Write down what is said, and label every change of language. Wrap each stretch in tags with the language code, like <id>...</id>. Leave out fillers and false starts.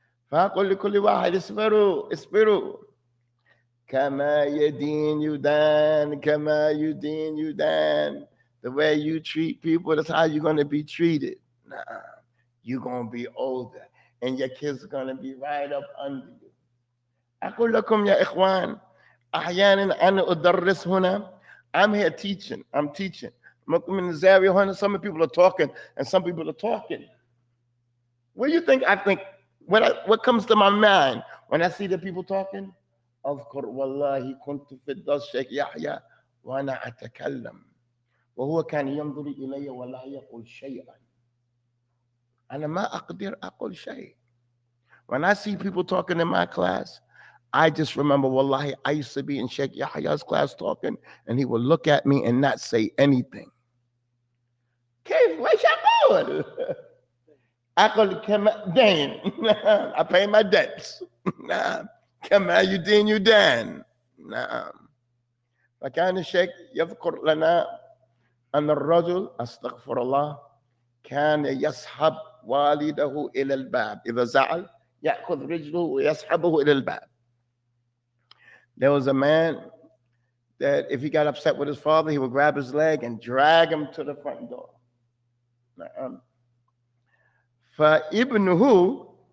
<ar>فقل لكل واحد اصبروا كما يدين يدان.</ar> <en>The way you treat people, that's how you're going to be treated.</en> <ar>نعم.</ar> <en>You're going to be older and your kids are going to be right up under you.</en> <ar>اقول لكم يا اخوان احيانا انا ادرس هنا.</ar> <en>I'm here teaching. Some people are talking and some people are talking. What do you think? What comes to my mind when I see the people talking?</en> <ar>أذكر والله كنت في الدرس شيخ يحيى وأنا أتكلم وهو كان ينظر إلي ولا يقول شيئا. أنا ما أقدر أقول شيء.</ar> <en>When I see people talking in my class, I just remember والله I used to be in شيخ يحيى's class talking and he would look at me and not say anything.</en> <ar>كيف ليش أقول؟ أقول كما دين.</ar> <en>I pay my debts.</en> <ar>كما يدين يدان. نعم. فكان الشيخ يذكر لنا أن الرجل أستغفر الله كان يسحب والده إلى الباب. إذا زعل يأخذ رجله ويسحبه إلى الباب.</ar> <en>There was a man that if he got upset with his father, he would grab his leg and drag him to the front door.</en> <ar>نعم. فابنه</ar>